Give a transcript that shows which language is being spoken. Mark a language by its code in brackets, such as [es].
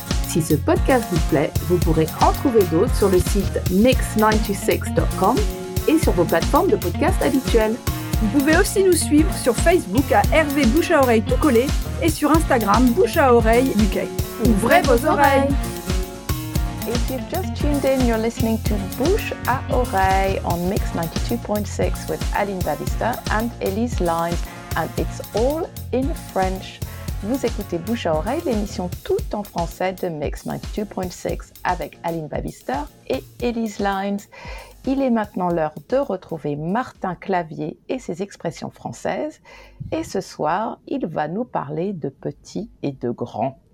[fr] Si ce podcast vous plaît, vous pourrez en trouver d'autres sur le site mix96.com et sur vos plateformes de podcast habituelles. Vous pouvez aussi nous suivre sur Facebook à Hervé Bouche à Oreille tout collé et sur Instagram Bouche à Oreille UK. Ouvrez vos oreilles! [en] If you've just tuned in, you're listening to Bouche à Oreille on Mix 92.6 with Aline Bavister and Elise Lines, and it's all in French. [fr] Vous écoutez Bouche à Oreille, l'émission tout en français de Mix 92.6 avec Aline Bavister et Elise Lines. Il est maintenant l'heure de retrouver Martin Clavier et ses expressions françaises. Et ce soir, il va nous parler de petits et de grands.